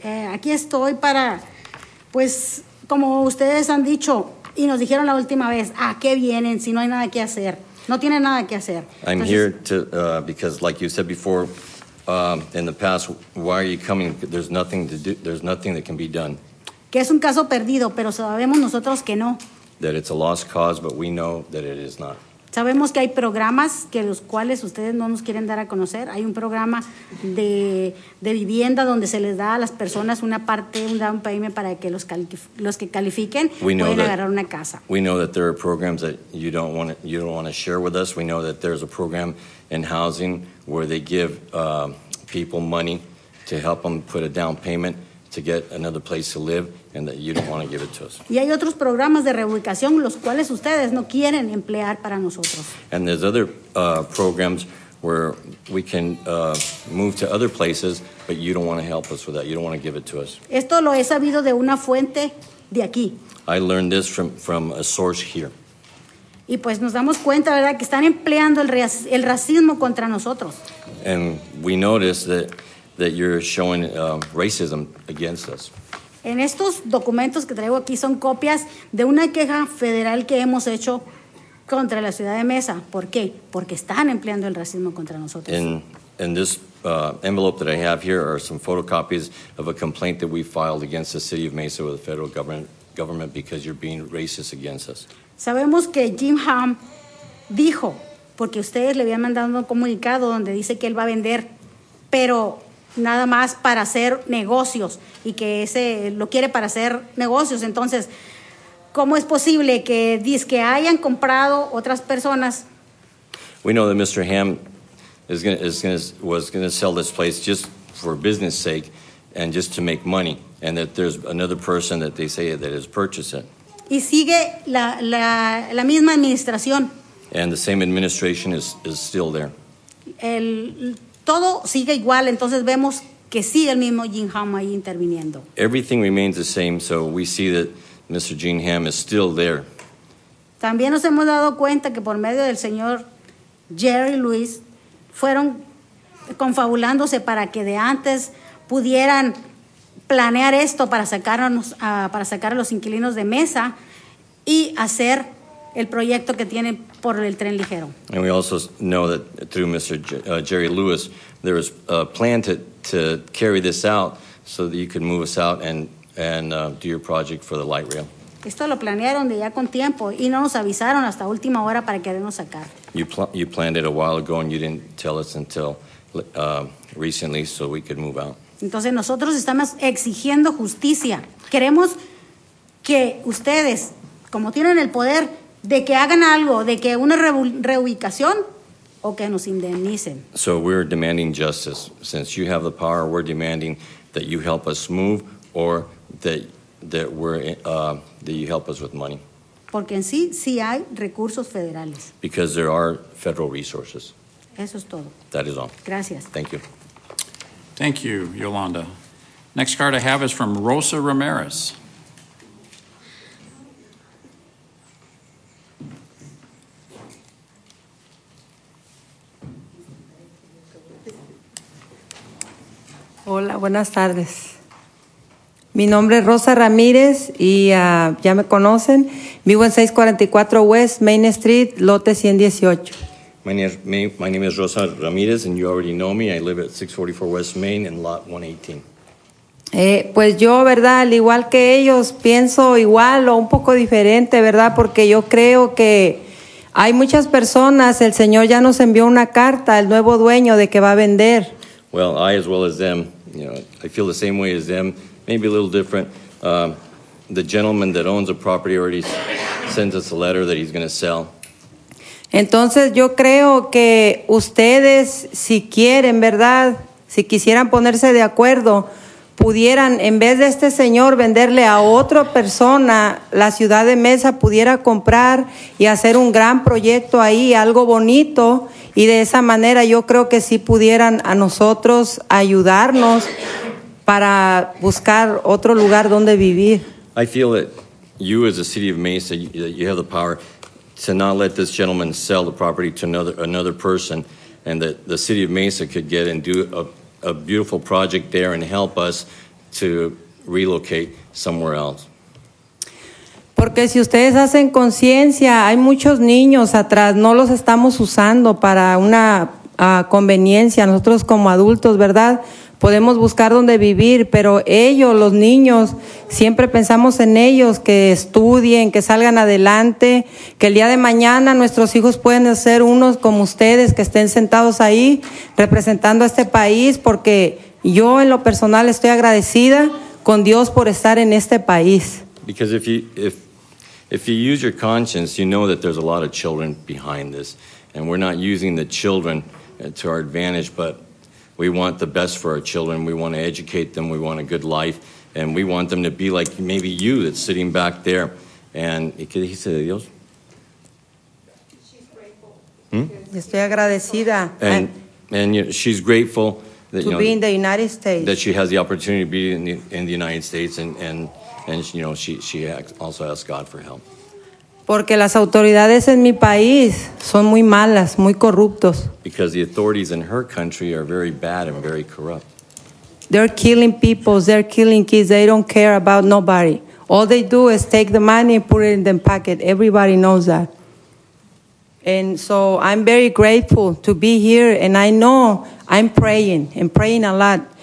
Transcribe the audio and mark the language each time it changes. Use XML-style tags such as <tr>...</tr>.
<es>Aquí estoy para, pues, como ustedes han dicho y nos dijeron la última vez, ¿a qué vienen si no hay nada que hacer? No tiene nada que hacer.</es> <en>Because like you said before, in the past, why are you coming? There's nothing to do. There's nothing that can be done.</en> <es>Que es un caso perdido, pero sabemos nosotros que no.</es> <en>That it's a lost cause, but we know that it is not.</en> <es>Sabemos que hay programas que los cuales ustedes no nos quieren dar a conocer. Hay un programa de vivienda donde se les da a las personas una parte, un down payment para que los que califiquen puedan agarrar una casa.</es> <en>We know that there are programs that you don't want to share with us. We know that there's a program in housing where they give people money to help them put a down payment to get another place to live, and that you don't want to give it to us.</en> <es>Y hay otros programas de reubicación los cuales ustedes no quieren emplear para nosotros.</es> <en>And there's other programs where we can move to other places, but you don't want to help us with that. You don't want to give it to us.</en> <es>Esto lo he sabido de una fuente de aquí.</es> <en>I learned this from a source here.</en> <es>Y pues nos damos cuenta, ¿verdad?, que están empleando el racismo contra nosotros.</es> <en>And we notice that you're showing racism against us.</en> <es>En estos documentos que traigo aquí son copias de una queja federal que hemos hecho contra la ciudad de Mesa. ¿Por qué? Porque están empleando el racismo contra nosotros.</es> <en>In this envelope that I have here are some photocopies of a complaint that we filed against the city of Mesa with the federal government because you're being racist against us.</en> <es>Sabemos que Jim Hamm dijo, porque ustedes le habían mandado un comunicado donde dice que él va a vender, pero nada más para hacer negocios y que ese lo quiere para hacer negocios. Entonces, ¿cómo es posible que dizque hayan comprado otras personas?</es> <en>We know that Mr. Hamm was going to sell this place just for business sake and just to make money, and that there's another person that they say that has purchased it.</en> <es>Y sigue la misma administración.</es> <en>And the same administration is still there.</en> <es>El todo sigue igual, entonces vemos que sigue el mismo Jim Ham ahí interviniendo.</es> <en>Everything remains the same, so we see that Mr. Jim Ham is still there.</en> <es>También nos hemos dado cuenta que por medio del señor Jerry Lewis fueron confabulándose para que de antes pudieran planear esto para sacarnos para sacar a los inquilinos de mesa y hacer el proyecto que tiene por el tren ligero.</es> <en>And we also know that through Mr. Jerry Lewis there was a plan to carry this out so that you could move us out and do your project for the light rail.</en> <es>Esto lo planearon de ya con tiempo y no nos avisaron hasta última hora para querernos sacar.</es> <en>You planned it a while ago and you didn't tell us until recently so we could move out.</en> <es>Entonces nosotros estamos exigiendo justicia. Queremos que ustedes, como tienen el poder, de que hagan algo, de que una reubicación o que nos indemnicen.</es> <en>So we're demanding justice. Since you have the power, we're demanding that you help us move or that you help us with money.</en> <es>Porque en sí, sí hay recursos federales.</es> <en>Because there are federal resources.</en> <es>Eso es todo.</es> <en>That is all.</en> <es>Gracias.</es> <en>Thank you. Thank you, Yolanda. Next card I have is from Rosa Ramirez.</en> <es>Hola, buenas tardes. Mi nombre es Rosa Ramírez y ya me conocen. Vivo en 644 West Main Street, lote 118.</es> <en>My name is Rosa Ramírez and you already know me. I live at 644 West Main in lot 118.</en> <es>Pues yo, verdad, al igual que ellos, pienso igual o un poco diferente, verdad, porque yo creo que hay muchas personas, el señor ya nos envió una carta, el nuevo dueño, de que va a vender.</es> <en>Well, I as well as them, you know, I feel the same way as them. Maybe a little different. The gentleman that owns a property already sends us a letter that he's going to sell.</en> <es>Entonces, yo creo que ustedes, si quieren, ¿verdad? Si quisieran ponerse de acuerdo, pudieran, en vez de este señor venderle a otra persona, la ciudad de Mesa pudiera comprar y hacer un gran proyecto ahí, algo bonito, y de esa manera yo creo que sí pudieran a nosotros ayudarnos para buscar otro lugar donde vivir.</es> <en>I feel that you as a city of Mesa, you have the power to not let this gentleman sell the property to another person, and that the city of Mesa could get and do a beautiful project there and help us to relocate somewhere else.</en> <es>Porque si ustedes hacen conciencia, hay muchos niños atrás, no los estamos usando para una conveniencia. Nosotros como adultos, ¿verdad? Podemos buscar donde vivir, pero ellos, los niños, siempre pensamos en ellos, que estudien, que salgan adelante, que el día de mañana nuestros hijos pueden ser unos como ustedes, que estén sentados ahí representando a este país, porque yo en lo personal estoy agradecida con Dios por estar en este país.</es> <en>Because if you use your conscience, you know that there's a lot of children behind this, and we're not using the children to our advantage, but we want the best for our children. We want to educate them. We want a good life. And we want them to be like maybe you that's sitting back there.</en> <es>And ¿qué dijiste de Dios? Estoy agradecida.</es> <en>And you know, she's grateful that, to you know, be in the United States. That she has the opportunity to be in the United States. And you know, she also asks God for help.</en> <es>Porque las autoridades en mi país son muy malas, muy corruptos.</es> <en>Because the authorities in her country are very bad and very corrupt. They're killing people, they're killing kids, they don't care about nobody. All they do is take the money and put it in the pocket. Everybody knows that. And so I'm very grateful to be here, and I know I'm praying, and praying a lot.</en>